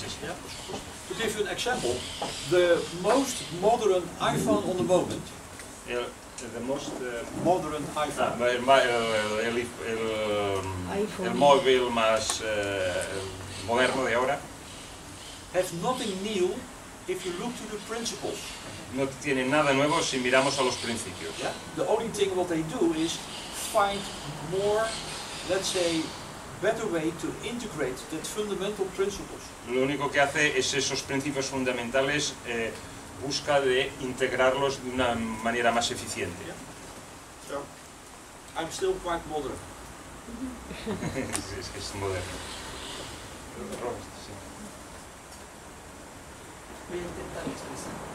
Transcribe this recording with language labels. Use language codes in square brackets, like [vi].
[en] To give you an example, the most modern iPhone on the moment. [es] El móvil más moderno de ahora [en] has nothing new if you look to the principles. [es] No tiene nada nuevo si miramos a los principios. [en] Yeah? The only thing what they do is find more, let's say, better way to integrate the fundamental principles. [es] Lo único que hace es esos principios fundamentales busca de integrarlos de una manera más eficiente. [en] Yeah. So, I'm still quite modern. [es] Es que es moderno. Voy a intentar expresar.